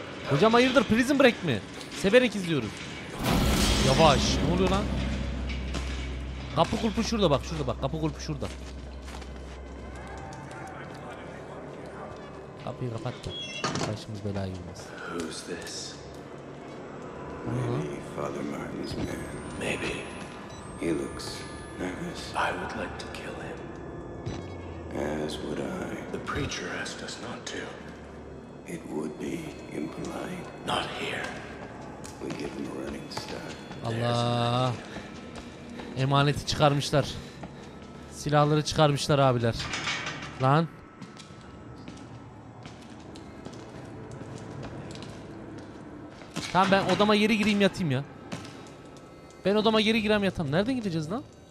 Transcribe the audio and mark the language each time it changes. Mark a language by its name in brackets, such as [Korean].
[Turkish] Hocam hayırdır, Prison Break mi? Severek izliyoruz. Yavaş, ne oluyor lan? Kapı kulpu şurada bak, şurada bak. Kapı kulpu şurada. Kapıyı kapat da başımız belaya girmez. [English] Who's this? Maybe Father Martin's man. Maybe. He looks nervous. I would like to kill him. As would I. The preacher asked us not to. It would be impolite. Not here. We give him a running start. [Turkish] Allah. Emaneti çıkarmışlar. Silahları çıkarmışlar abiler. Lan. Tamam, ben odama geri gireyim yatayım ya. Ben odama geri girem yatam. Nereden gideceğiz lan?